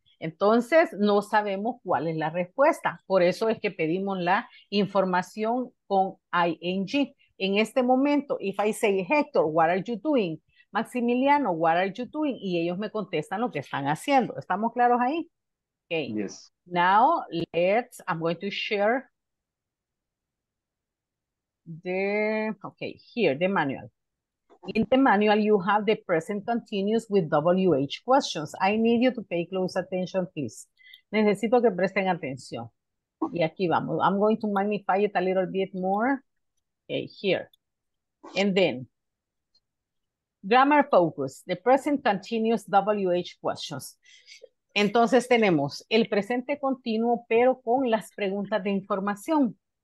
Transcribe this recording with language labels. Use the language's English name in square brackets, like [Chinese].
[Spanish] Entonces, no sabemos cuál es la respuesta. Por eso es que pedimos la información con ing. [English] En este momento, if I say, Hector, what are you doing? [Spanish] Maximiliano, what are you doing? Y ellos me contestan lo que están haciendo. ¿Estamos claros ahí? Okay. [English] Yes. Now, let's, I'm going to share the, okay, here, the manual. In the manual, you have the present continuous with WH questions. I need you to pay close attention, please. Necesito que presten atención. Y aquí vamos. I'm going to magnify it a little bit more. Okay, here. And then, grammar focus, the present continuous WH questions. [Spanish] Entonces tenemos el presente continuo, pero con las preguntas de información.